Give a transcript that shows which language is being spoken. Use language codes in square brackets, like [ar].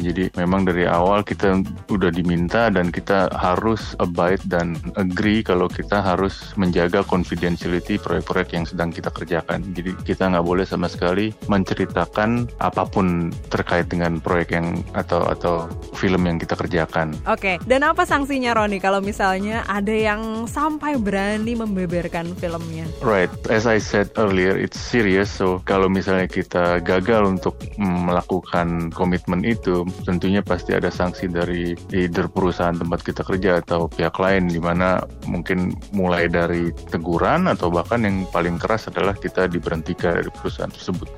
[id] Jadi memang dari awal kita udah diminta dan kita harus abide dan agree kalau kita harus menjaga confidentiality proyek-proyek yang sedang kita kerjakan. Jadi kita nggak boleh sama sekali menceritakan apapun terkait dengan proyek yang atau film yang kita kerjakan. Oke, dan apa sanksinya Roni kalau misalnya ada yang sampai berani membeberkan filmnya? [en] Right, as I said earlier, it's serious. [id] So kalau misalnya kita gagal untuk melakukan komitmen itu, tentunya pasti ada sanksi dari either perusahaan tempat kita kerja atau pihak lain, di mana mungkin mulai dari teguran atau bahkan yang paling keras adalah kita diberhentikan dari perusahaan tersebut.